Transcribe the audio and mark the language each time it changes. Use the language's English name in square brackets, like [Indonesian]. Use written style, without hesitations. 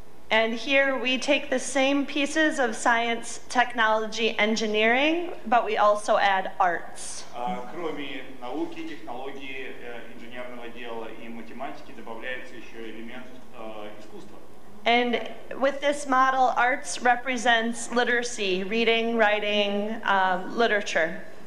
[English] And here we take the same pieces of science, technology, engineering, but we also add arts. [Russian] Кроме науки, технологии, инженерного дела и математики, добавляется еще элемент искусства. [English] And with this model, arts represents literacy, reading, writing, literature.